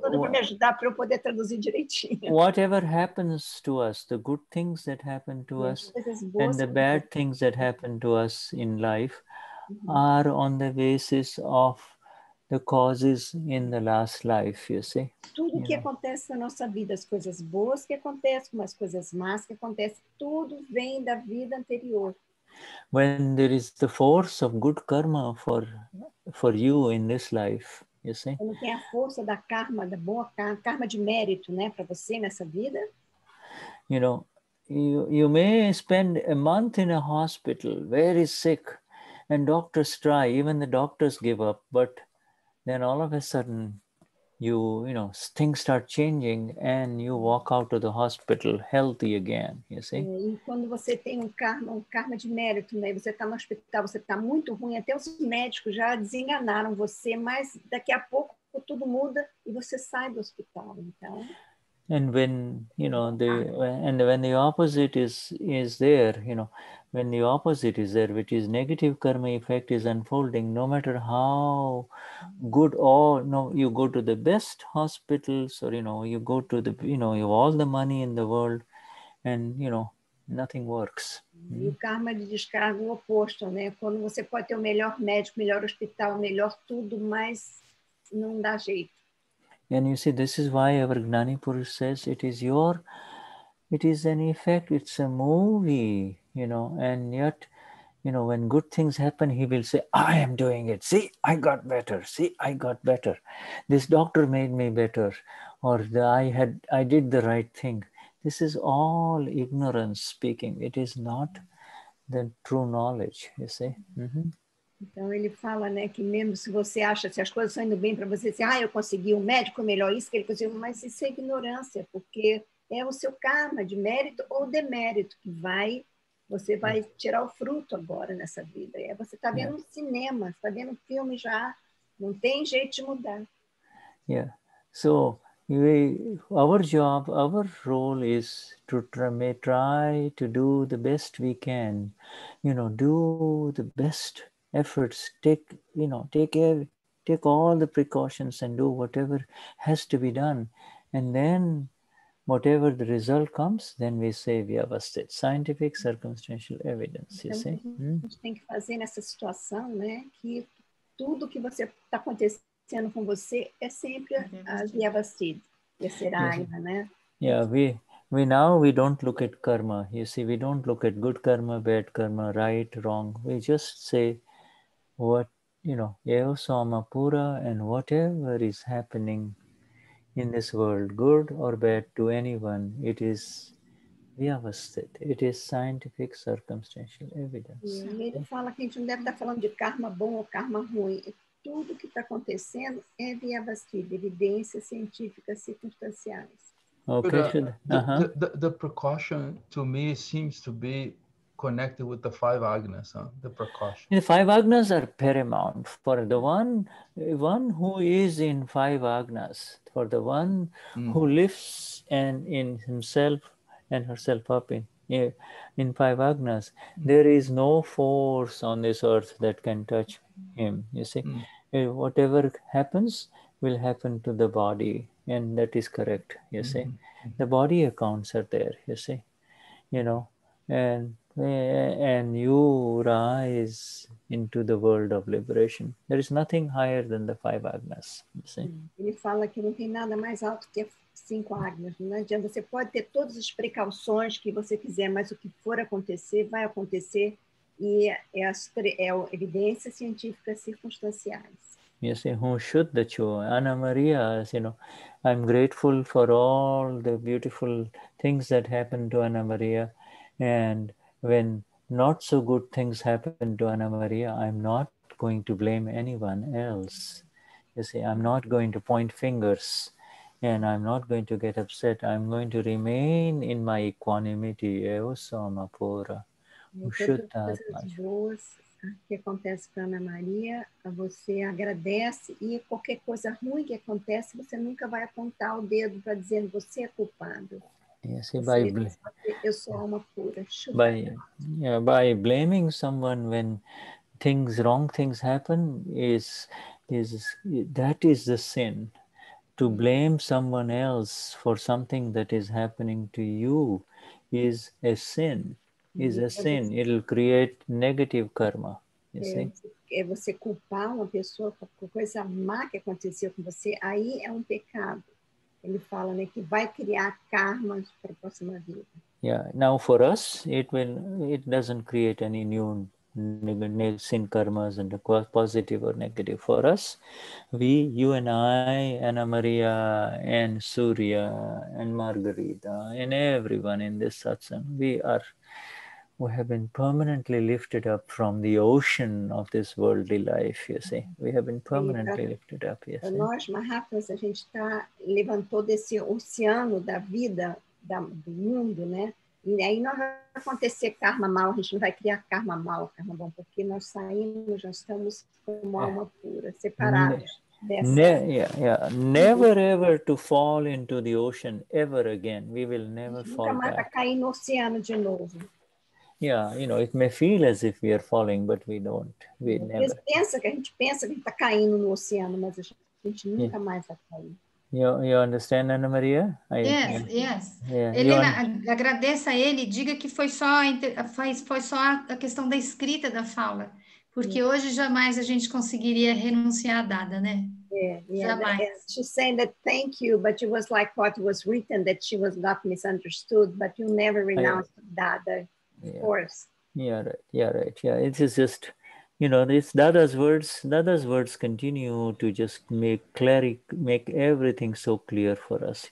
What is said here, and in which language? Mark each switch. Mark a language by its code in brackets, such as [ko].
[en] Whatever happens to us, the good things that happen to us and the bad things that happen to us in life are on the basis of the causes in the last life, you see. [pt] Tudo que acontece na nossa vida, as coisas boas que acontecem, as coisas más que acontecem, tudo vem da vida anterior. [en] When there is the force of good karma for you in this life, you see. [pt] Quando tem a força da karma, da boa karma de mérito, né, para você nessa vida. [en] You know, you may spend a month in a hospital, very sick, and doctors try, even the doctors give up, but then all of a sudden, you know, things start changing and you walk out of the hospital healthy again, you see? [pt] E quando você tem um karma de mérito, né? Você está no hospital, você está muito ruim, até os médicos já desenganaram você, mas daqui a pouco tudo muda e você sai do hospital, então. [en] And when, you know, when the opposite is there, you know, when the opposite is there, which is negative karma effect is unfolding, no matter how good you go to the best hospitals or, you know, you go to the, you know, you have all the money in the world and, you know, nothing works. [pt] E o karma de descarga é o oposto, né? Quando você pode ter o melhor médico, melhor hospital, melhor tudo, mas não dá jeito. [en] And you see, this is why our Gnani Purush says it is an effect, it's a movie, you know, and yet, you know, when good things happen, he will say, I am doing it. See, I got better. This doctor made me better, or I did the right thing. This is all ignorance speaking. It is not the true knowledge, you see. Mm-hmm. [pt] Então, ele fala, né, que mesmo se você acha, se as coisas estão indo bem para você, assim, ah, eu consegui um médico melhor, isso que ele conseguiu, mas isso é ignorância, porque é o seu karma de mérito ou demérito que vai, você vai tirar o fruto agora nessa vida. É, você está vendo cinema, está vendo filme já, não tem jeito de mudar. [en] Yeah, so, our job, our role is to try to do the best we can, you know, do the best efforts, take all the precautions and do whatever has to be done. And then whatever the result comes, then we say we have a state. Scientific circumstantial evidence, you see. [pt] A gente tem que fazer nessa situação, né, que tudo que você está acontecendo com você é sempre a viabastida. Terceira, né? [en] Yeah, we now we don't look at karma. You see, we don't look at good karma, bad karma, right, wrong. We just say what, you know, eva soma pura, and whatever is happening in this world, good or bad to anyone, it is vyavasthit. It is scientific circumstantial evidence. [pt] Ele fala que a gente não deve estar falando de karma bom ou karma ruim. Tudo que está acontecendo é vyavasthit, evidências científicas circunstanciais. [en] Okay. The precaution to me seems to be connected with the five agnas, huh? The precaution. The five agnas are paramount. For the one who is in five agnas, for the one who lifts and in himself and herself up in five agnas, there is no force on this earth that can touch him. You see, whatever happens will happen to the body, and that is correct. You see, the body accounts are there. You see, you know, and you rise into the world of liberation. There is nothing higher than the five agnas, you see. [pt] Ele fala que não tem nada mais alto que cinco agnas. Não adianta, você pode ter todas as precauções que você quiser, mas o que for acontecer, vai acontecer, e é evidências científicas circunstanciais. [en] You see, who should the cho? Ana Maria, as you know, I'm grateful for all the beautiful things that happened to Ana Maria, and when not so good things happen to Ana Maria, I'm not going to blame anyone else. You see, I'm not going to point fingers, and I'm not going to get upset. I'm going to remain in my equanimity. [pt] Eu sou uma pura. [gu] Shuddha. [pt] As coisas que acontecem para Ana Maria, você agradece, e qualquer coisa ruim que acontece, você nunca vai apontar o dedo para dizer você é culpado. [en] Yes, by by blaming someone when things wrong things happen is that is the sin. To blame someone else for something that is happening to you is a sin. Is a sin. It'll create negative karma. You see. [pt] É você culpar uma pessoa por coisa má que aconteceu com você. Aí é pecado. Ele fala, né, que vai criar karmas para a próxima vida. [en] Yeah, now for us, it doesn't create any new sin karmas and positive or negative. For us, you and I, Ana Maria, and Surya, and Margarita, and everyone in this satsang, we have been permanently lifted up from the ocean of this worldly life, you see. We have been permanently lifted up, yes. [pt] Nós, mahatmas, a gente está levantando desse oceano da vida, do mundo, né? E aí não vai acontecer karma mal, a gente não vai criar karma mal, karma bom, porque nós saímos, nós estamos como alma pura, separados [en] Never ever to fall into the ocean ever again. We will never fall back. [pt] Nunca mais vai cair no oceano de novo. [en] Yeah, you know, it may feel as if we are falling, but we don't. We never. [pt] Pensa que a gente pensa que está caindo no oceano, mas a gente nunca mais vai cair. [en] You understand, Ana Maria? Yes. Yeah. [pt] Helena, agradeça a ele, diga que foi só a questão da escrita da fala, porque hoje jamais a gente conseguiria renunciar a dada, né? [en] Yeah, she's saying that thank you, but it was like what was written, that she was not misunderstood, but you never renounced dada. Yeah, right. Yeah, it is just, you know, this Dada's words continue to just make everything so clear for us.